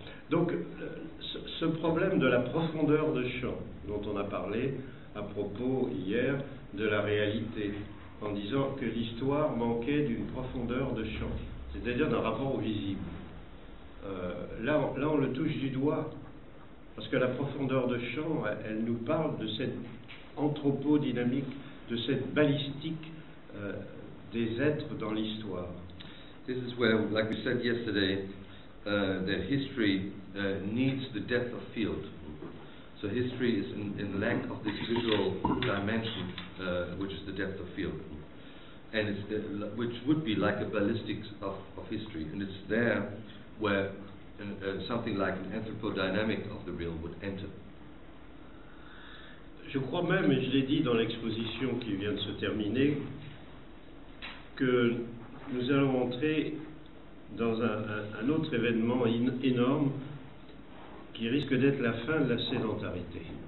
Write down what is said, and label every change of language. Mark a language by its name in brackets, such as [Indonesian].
[French] Donc, ce problème de la profondeur de champ dont on a parlé à propos hier de la réalité, en disant que l'histoire manquait d'une profondeur de champ, c'est-à-dire d'un rapport au visible. Là, on le touche du doigt. Parce que la profondeur de champ, elle nous parle de cette anthropodynamique, de cette balistique des êtres dans l'histoire. [English] This is where, like we said yesterday, that history needs the depth of field. So history is in lack of this visual dimension, which is the depth of field. And it's which would be like a ballistics of history. And it's there where something like an anthropodynamic of the real would enter. [French] Je crois même, et je l'ai dit dans l'exposition qui vient de se terminer, que nous allons entrer dans un autre événement énorme qui risque d'être la fin de la sédentarité.